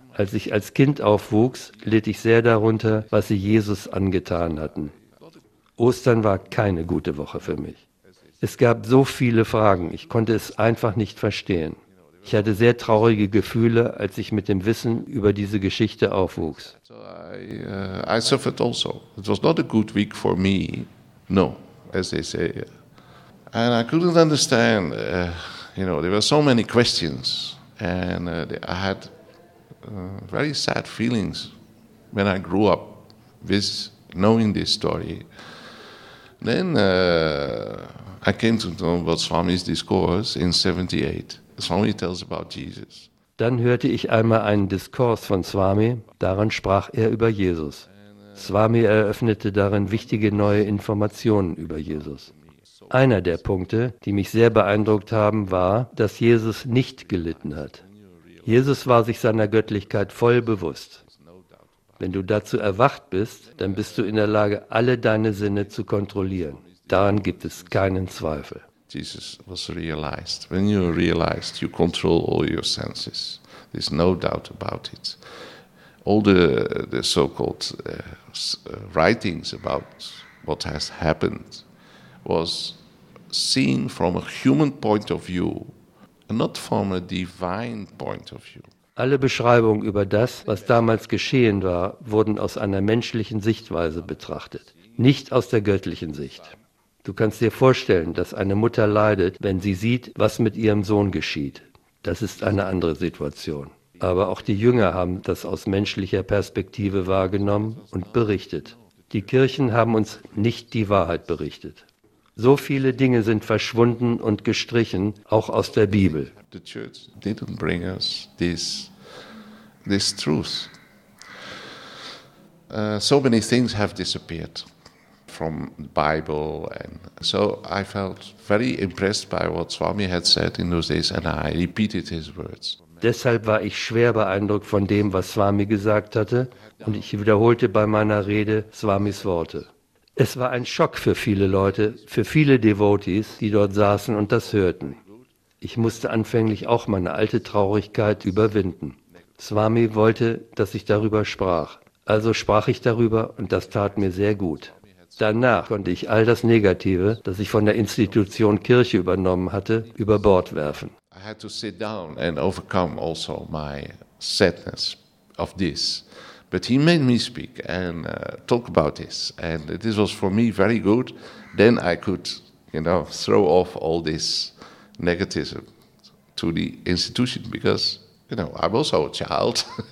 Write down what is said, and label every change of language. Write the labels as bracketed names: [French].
[German] Als ich als Kind aufwuchs, litt ich sehr darunter, was sie Jesus angetan hatten. Ostern war keine gute Woche für mich. Es gab so viele Fragen, ich konnte es einfach nicht verstehen. Ich hatte sehr traurige Gefühle, als ich mit dem Wissen über diese Geschichte aufwuchs. [English] I suffered also. It was not a good week for me. No, as they say. And I couldn't understand, there were so many questions. And I had very sad feelings when I grew up with knowing this story. Then I came to know about Swami's discourse in 78. Swami tells about Jesus. [German] Dann hörte ich einmal einen Diskurs von Swami, daran sprach er über Jesus. Swami eröffnete darin wichtige neue Informationen über Jesus. Einer der Punkte, die mich sehr beeindruckt haben, war, dass Jesus nicht gelitten hat. Jesus war sich seiner Göttlichkeit voll bewusst. Wenn du dazu erwacht bist, dann bist du in der Lage, alle deine Sinne zu kontrollieren. Daran gibt es keinen Zweifel. [English] Jesus was realized. When you realized, you control all your senses. There's no doubt about it. All the so-called writings about what has happened was seen from a human point of view and not from a divine point of view. [German] Alle Beschreibungen über das, was damals geschehen war, wurden aus einer menschlichen Sichtweise betrachtet, nicht aus der göttlichen Sicht. Du kannst dir vorstellen, dass eine Mutter leidet, wenn sie sieht, was mit ihrem Sohn geschieht. Das ist eine andere Situation. Aber auch die Jünger haben das aus menschlicher Perspektive wahrgenommen und berichtet. Die Kirchen haben uns nicht die Wahrheit berichtet. So viele Dinge sind verschwunden und gestrichen, auch aus der Bibel. [English] The church didn't bring us this truth. So many things have disappeared. from the Bible, and so I felt very impressed by what Swami had said in those days, and I repeated his words. [German] Deshalb war ich schwer beeindruckt von dem, was Swami gesagt hatte, und ich wiederholte bei meiner Rede Swamis Worte. Es war ein Schock für viele Leute, für viele Devotees, die dort saßen und das hörten. Ich musste anfänglich auch meine alte Traurigkeit überwinden. Swami wollte, dass ich darüber sprach. Also sprach ich darüber und das tat mir sehr gut. Danach konnte ich all das Negative, das ich von der Institution Kirche übernommen hatte, über Bord werfen. [English] I had to sit down and overcome also my sadness of this. But he made me speak and talk about this. And this was for me very good. Then I could, you know, throw off all this negativism to the institution, because, you know, I'm also a child.